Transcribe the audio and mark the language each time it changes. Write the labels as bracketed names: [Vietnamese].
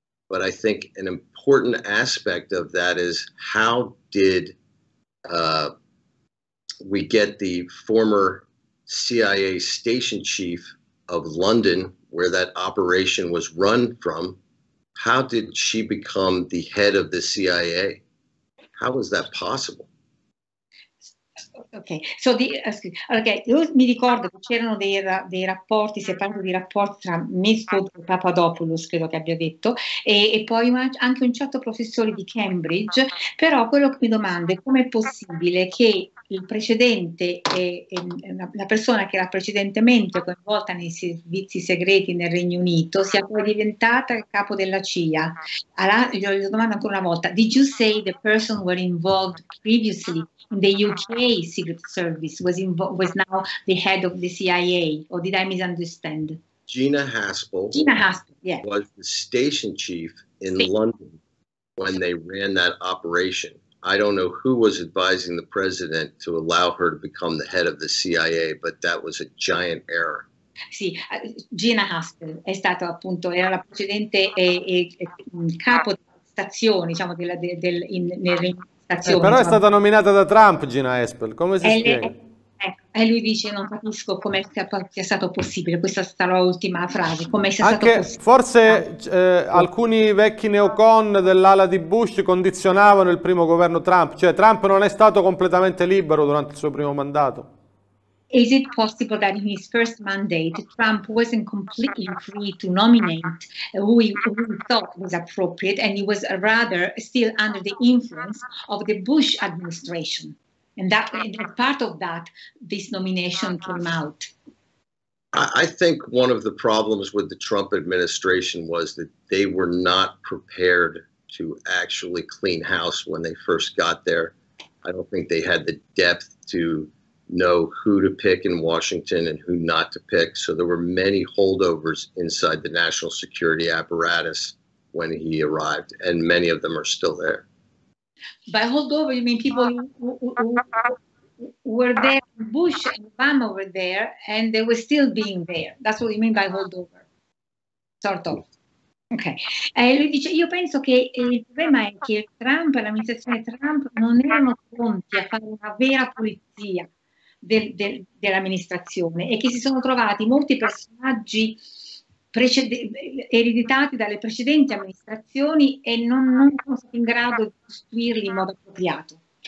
[English] But I think an important aspect of that is how did we get the former CIA station chief of London, where that operation was run from, how did she become the head of the CIA? How is that possibile? [Italian] Okay, so mi ricordo che c'erano dei rapporti, si è parlato di rapporti tra Mifsud e Papadopoulos, credo che abbia detto, e poi anche un certo professore di Cambridge, però quello che mi domando è com'è possibile che il precedente, la persona che era precedentemente coinvolta nei servizi segreti nel Regno Unito, sia poi diventata il capo della CIA. Allora, gli domando ancora una volta, [English] did you say the person were involved previously in the UK Secret Service was now the head of the CIA, or did I misunderstand? Gina Haspel, yeah. Was the station chief in London when they ran that operation. I don't know who was advising the president to allow her to become the head of the CIA, but that was a giant error. [Italian] Sì, Gina Haspel è stato appunto, era la precedente capo di stazione, diciamo, però è stata nominata da Trump, Gina Haspel, come si spiega? E lui dice, non capisco come sia stato possibile, questa è la ultima frase, come sia anche stato possibile. Forse alcuni vecchi neocon dell'ala di Bush condizionavano il primo governo Trump, cioè Trump non è stato completamente libero durante il suo primo mandato. [English] Is it possible that in his first mandate, Trump wasn't completely free to nominate who he thought was appropriate, and he was rather still under the influence of the Bush administration? And part of that, this nomination came out. I think one of the problems with the Trump administration was that they were not prepared to actually clean house when they first got there. I don't think they had the depth to know who to pick in Washington and who not to pick. So there were many holdovers inside the national security apparatus when he arrived, and many of them are still there. By holdover, you mean people who were there, Bush and Obama were there, and they were still being there. That's what you mean by holdover, sort of. [Italian] Ok, lui dice, io penso che il problema è che Trump, l'amministrazione Trump, non erano pronti a fare una vera pulizia dell'amministrazione, e che si sono trovati molti personaggi ereditati dalle precedenti amministrazioni e non sono stati in grado di costruirli in modo appropriato.